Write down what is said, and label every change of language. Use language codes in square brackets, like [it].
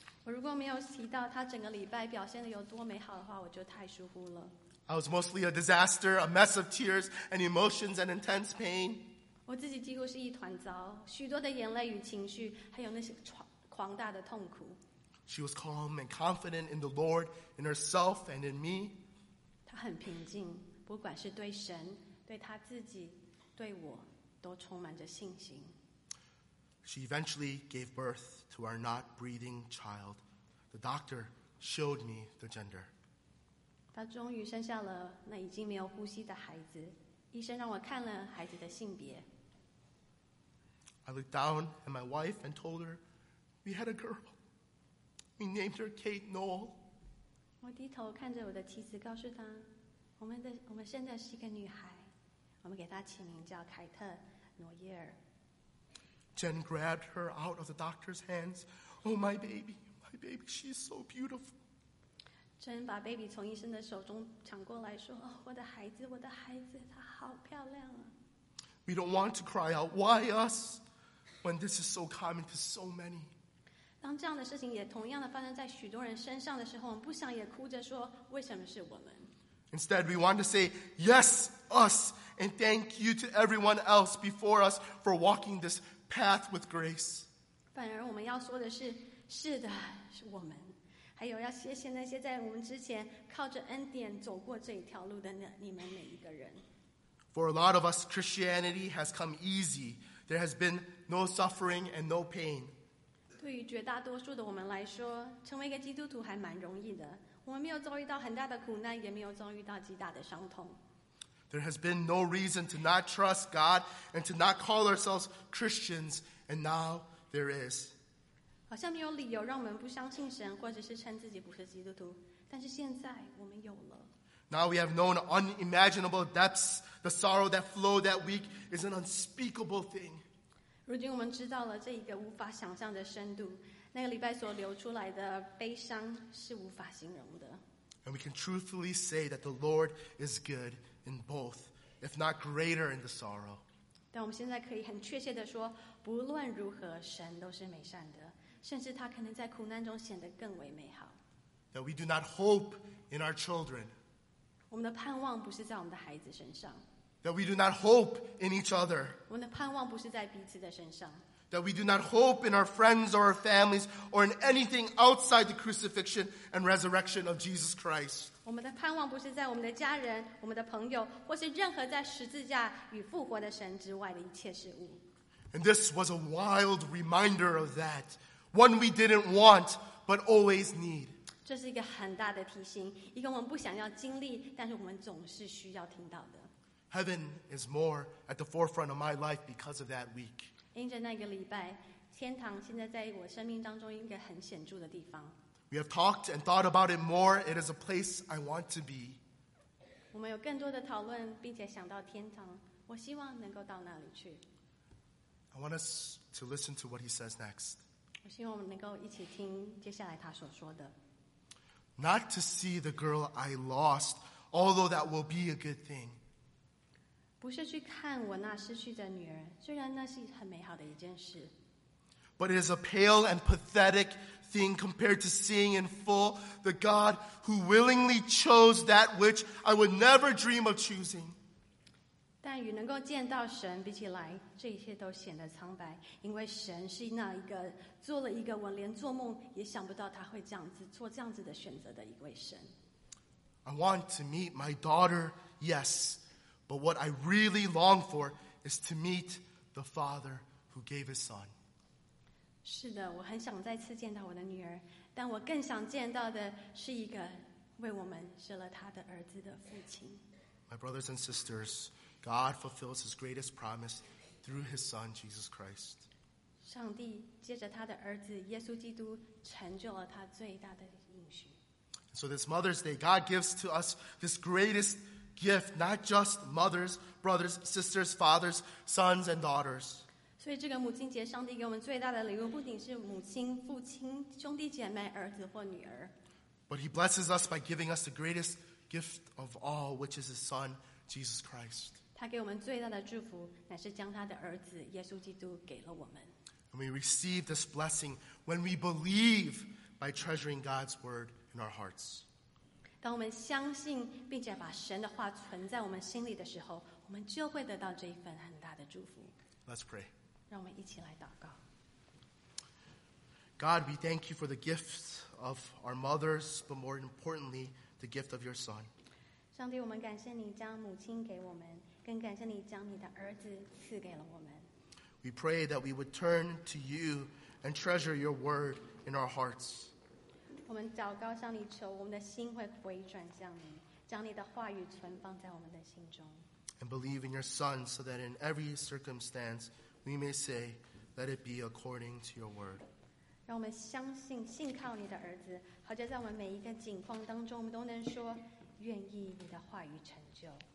[zh] 我如果没有提到她整个礼拜表现得有多美好的话，我就太疏忽了。 [en] I was mostly a disaster, a mess of tears and emotions and intense pain. [zh] 我自己几乎是一团糟，许多的眼泪与情绪，还有那些狂大的痛苦。 [en] She was calm and confident in the Lord, in herself and in me. [zh] 她很平静，不管是对神、对她自己、对我，都充满着信心。 [en] She eventually gave birth to our not breathing child. The doctor showed me the gender. [zh] 他终于生下了那已经没有呼吸的孩子，医生让我看了孩子的性别。 [en] I looked down at my wife and told her, we had a girl. We named her Kate Noel. [zh] 我低头看着我的妻子，告诉她，我们生的是一个女孩，我们给她起名叫凯特·诺耶尔。 [en] Jen grabbed her out of the doctor's hands. Oh, my baby, she's so beautiful. [zh] 珍把 baby 从医生的手中抢过来，说：“我的孩子，我的孩子，她好漂亮啊！” [en] We don't want to cry out, "Why us?" when this is so common to so many. [zh] 当这样的事情也同样的发生在许多人身上的时候，我们不想也哭着说：“为什么是我们？” [en] Instead, we want to say, "Yes, us," and thank you to everyone else before us for walking this path with grace. [zh] 反而我们要说的是：“是的，是我们。” 还有要谢谢那些在我们之前靠着恩典走过这一条路的你们每一个人。 [en] For a lot of us, Christianity has come easy. There has been no suffering and no pain. [zh] 对于绝大多数的我们来说，成为一个基督徒还蛮容易的。我们没有遭遇到很大的苦难，也没有遭遇到极大的伤痛。 [en] There has been no reason to not trust God and to not call ourselves Christians, and now there is. [zh] 好像没有理由让我们不相信神，或者是称自己不是基督徒。但是现在我们有了。 [en] Now we have known unimaginable depths. The sorrow that flowed that week is an unspeakable thing. [zh] 如今我们知道了这一个无法想象的深度，那个礼拜所流出来的悲伤是无法形容的。 [en] And we can truthfully say that the Lord is good in both, if not greater in the sorrow. [zh] 但我们现在可以很确切地说，不论如何，神都是美善的。甚至他可能在苦难中显得更为美好。 [en] That we do not hope in our children. [zh] 我们的盼望不是在我们的孩子身上。 [en] That we do not hope in each other. [zh] 我们的盼望不是在彼此的身上。 [en] That we do not hope in our friends or our families or in anything outside the crucifixion and resurrection of Jesus Christ. [zh] 我们的盼望不是在我们的家人、我们的朋友，或是任何在十字架与复活的神之外的一切事物。 [en] And this was a wild reminder of that. One we didn't want, but always need. [zh] 这是一个很大的提醒，一个我们不想要经历，但是我们总是需要听到的。 [en] Heaven is more at the forefront of my life because of that week. [zh] 因着那个礼拜，天堂现在在我生命当中一个很显著的地方。 [en] We have talked and thought about it more. It is a place I want to be. [zh] 我们有更多的讨论，并且想到天堂。我希望能够到那里去。 [en] I want us to listen to what he says next. [zh] 我希望我们能够一起听接下来他所说的。 [en] Not to see the girl I lost, although that will be a good thing. [zh] 不是去看我那失去的女儿，虽然那是很美好的一件事。 [en] But it is a pale and pathetic thing compared to seeing in full the God who willingly chose that which I would never dream of choosing. [zh] 但与能够见到神比起来，这一切都显得苍白，因为神是那一个做了一个我连做梦也想不到他会这样子做这样子的选择的一位神。 [en] I want to meet my daughter, yes, but what I really long for is to meet the Father who gave His Son. [zh] 是的，我很想再次见到我的女儿，但我更想见到的是一个为我们舍了他的儿子的父亲。 [en] My brothers and sisters, God fulfills His greatest promise through His Son, Jesus Christ. [zh] 上帝借着他的儿子耶稣基督成就了他最大的应许。 [en] So this Mother's Day, God gives to us this greatest gift, not just mothers, brothers, sisters, fathers, sons, and daughters. [zh] 所以这个母亲节上帝给我们最大的礼物不仅是母亲、父亲、兄弟姐妹、儿子或女儿。 [en] But he blesses us by giving us the greatest gift of all, which is his son, Jesus Christ. [zh] 他给我们最大的祝福乃是将他的儿子耶稣基督给了我们。 [en] And we receive this blessing when we believe by treasuring God's word in our hearts. [zh] 当我们相信并且把神的话存在我们心里的时候，我们就会得到这一份很大的祝福。 [en] Let's pray. [zh] 让我们一起来祷告。 [en] God, we thank you for the gifts of our mothers, but more importantly, the gift of your Son. [zh] 上帝，我们感谢你将母亲给我们，更感谢你将你的儿子赐给了我们。 [en] We pray that we would turn to you and treasure your word in our hearts. [zh] 我们祷告向你求，我们的心会回转向你，将你的话语存放在我们的心中。 [en] And believe in your Son, so that in every circumstance,We may say, let it be according to your word. [zh] 让我们相信信靠你的儿子，好像在我们每一个境况当中，我们都能说愿意你的话语成就。